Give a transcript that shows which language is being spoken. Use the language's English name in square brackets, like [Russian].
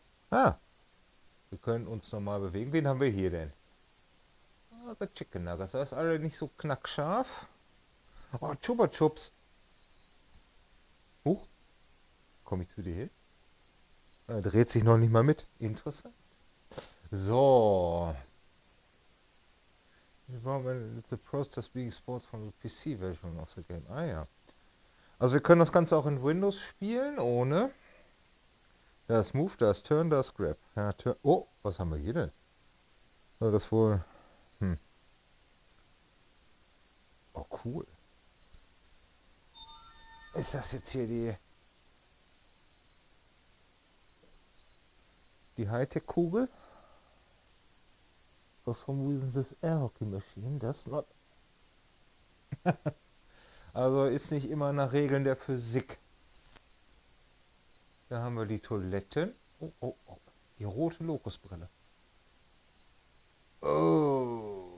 [German] Ah, wir können uns nochmal bewegen. Wen haben wir hier denn? [English] Oh, the Chicken Nuggets. [German] Das ist alle nicht so knackscharf. Oh, Chupa Chups. Huch, komme ich zu dir hin? Er dreht sich noch nicht mal mit. Interessant. So. [English] Development is the process being sported from the PC-Version of the game. [German] Ah ja. Also wir können das Ganze auch in Windows spielen, ohne. Da ist Move, da ist Turn, da ist Grab. Ja, Turn. Oh, was haben wir hier denn? Soll das wohl. [English] Oh, cool. [German] Ist das jetzt hier die. Die Hightech-Kugel? [English] For some reason this air hockey machine does not. [German] Also ist nicht immer nach Regeln der Physik. Da haben wir die Toiletten. Oh. Die rote Lokusbrille. Oh.